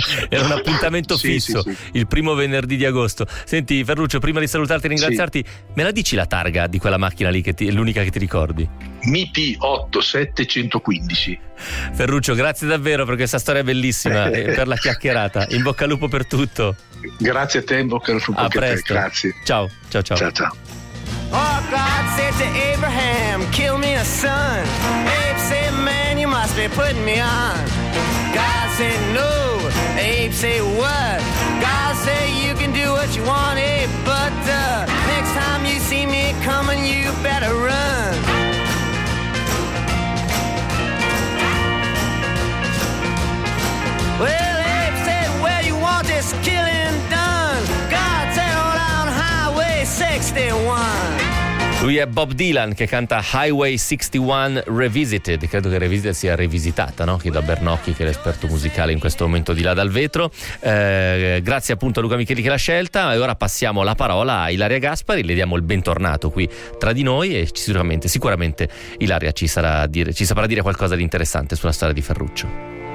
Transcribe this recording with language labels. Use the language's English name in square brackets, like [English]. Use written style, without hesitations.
[Italian] Era un appuntamento fisso. Sì, sì. Il primo venerdì di agosto. Senti, Ferruccio, prima di salutarti e ringraziarti, sì, me la dici la targa di quella macchina lì, che è l'unica che ti ricordi? MIT 87115. Ferruccio, grazie davvero per questa storia bellissima e per la chiacchierata. In bocca al lupo per tutto. Grazie a te, in bocca al lupo a presto. Te, grazie. Ciao, ciao, ciao. Ciao, ciao. [English] Oh, God said to Abraham, kill me a son. Abe said, man, you must be putting me on. God said, no. Abe said, what? God said, you can do what you want, Abe, but next time you see me coming, you better run. Well, Abe said, where you want this killing done? God said, on Highway 61. [Italian] Lui è Bob Dylan, che canta Highway 61 Revisited. Credo che Revisited sia rivisitata, no? Chiedo a Bernocchi, che è l'esperto musicale in questo momento di là dal vetro. Grazie appunto a Luca Micheli che l'ha scelta. E ora passiamo la parola a Ilaria Gaspari, le diamo il bentornato qui tra di noi e sicuramente Ilaria ci saprà dire qualcosa di interessante sulla storia di Ferruccio.